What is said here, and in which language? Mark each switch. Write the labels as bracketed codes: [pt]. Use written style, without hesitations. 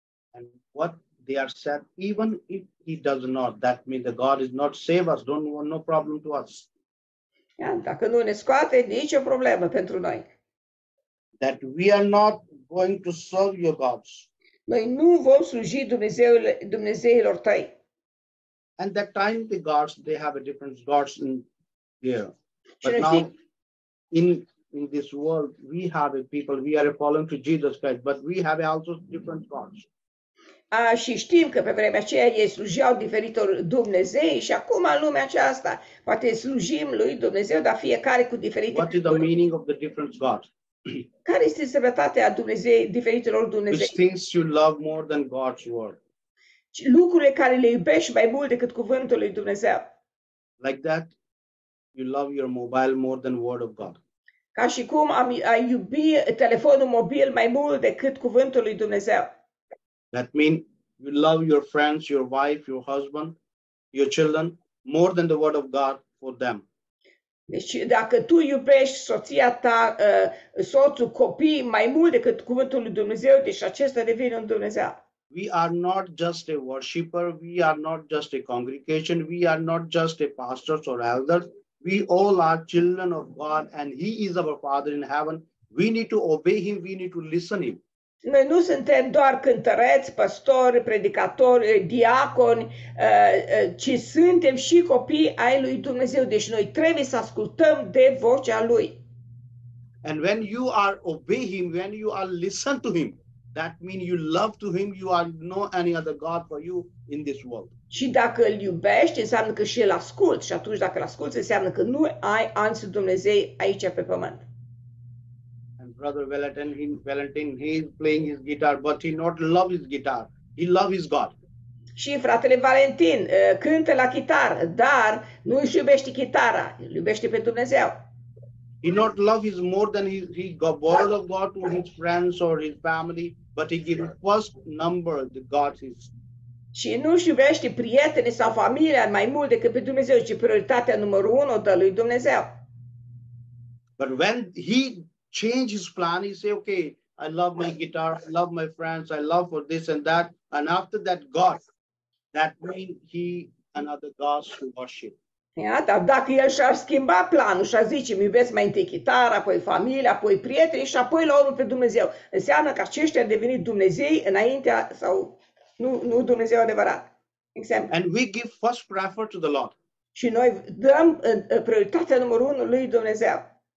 [en] And what they are said, even if he does not, that means the God is not save us, don't want no problem to us. [ro] Dacă nu ne scoate, nicio problemă pentru noi. [en] That we are not going to serve your gods. [ro] Noi nu vom sluji Dumnezeilor tăi. [en] And that time the gods, they have a different gods in here. But now in this world, we have a people, we are following to Jesus Christ, but we have also different gods. [ro] Și știm că pe vremea aceea ei slujeau diferitor Dumnezei și acum în lumea aceasta poate slujim lui Dumnezeu, dar fiecare cu diferite. [en] What is the meaning of the different gods? [ro] Care este însemnătatea Dumnezei, diferitelor Dumnezei? [en] Which things you love more than God's word. [ro] Lucrurile care le iubești mai mult decât cuvântul lui Dumnezeu. [en] Like that, you love your mobile more than word of God. [ro] Ca și cum ai iubi telefonul mobil mai mult decât cuvântul lui Dumnezeu. [en] That means you love your friends, your wife, your husband, your children more than the word of God for them. [ro] Deci dacă tu iubești soția ta, soțul, copii mai mult decât cuvântul lui Dumnezeu, deci acesta devine un Dumnezeu. [en] We are not just a worshipper, we are not just a congregation, we are not just a pastor or elders. We all are children of God and he is our father in heaven. We need to obey him, we need to listen him. [ro] Noi nu suntem doar cântăreți, păstori, predicatori, diaconi, ci suntem și copii ai lui Dumnezeu. Deci noi trebuie să ascultăm de vocea lui. [en] And when you are obey him, when you are listen to him, that means you love to him, you are no any other god for you in this world. [ro] Și dacă îl iubești, înseamnă că și îl asculți. Și atunci dacă îl asculți, înseamnă că nu ai alți Dumnezei aici pe pământ. [en] Brother Valentin, he is playing his guitar, but he not love his guitar. He loves God. [ro] Și fratele Valentin cântă la chitar, dar nu își iubește chitara, îl iubește pe Dumnezeu. [en] He not love is more than he got word of God to his friends or his family, but he gives first number to God his. [ro] Și nu își iubește prietene sau familia mai mult decât pe Dumnezeu, ci prioritatea numărul 1 dă lui Dumnezeu. [en] But when he changed his plan, he say, okay, I love my guitar, I love my friends, I love for this and that. And after that, God, that means he another God to worship. [ro] Ia, dar dacă el și-a schimbat planul și-a zice, iubesc mai întâi chitară, apoi familia, apoi prietenii și apoi la urmă pe Dumnezeu, înseamnă că aceștia au devenit Dumnezei înaintea sau nu Dumnezeu adevărat. Exemplu. [en] And we give first preference to the Lord. [ro] Și noi dăm prioritatea numărul 1 lui Dumnezeu.